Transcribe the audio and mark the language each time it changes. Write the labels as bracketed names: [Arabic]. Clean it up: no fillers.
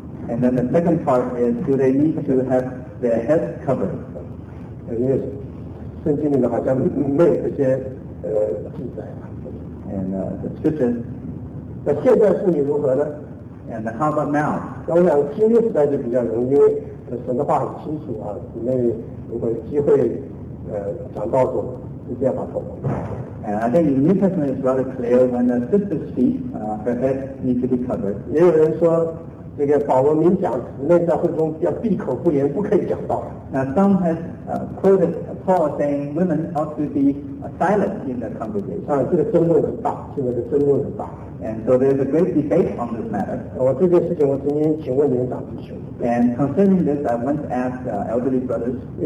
[English] And then the second part is, do they need to have their head covered? [Chinese] 因为圣经里面好像没有这些记载。 [English] And the scriptures. [Chinese] 那现在妇女如何呢？ [English] And how about now? [Chinese] 那我想新约时代就比较容易，因为神的话很清楚啊，姊妹如果有机会。讲道中，是这样把头。 [English] And I think the New Testament is rather clear when the sister speaks, her head needs to be covered. [Chinese] 也有人说，这个保罗明讲，姊妹在会中要闭口不言，不可以讲道。Now [English] some has quoted Paul saying women ought to be silent in the congregation. [Chinese] 这个争论很大，现在的争论很大。And [English] so there's a great debate on this matter. [Chinese] 我这件事情我曾经请问年长弟兄。 [English] And concerning this, I once asked elderly brothers.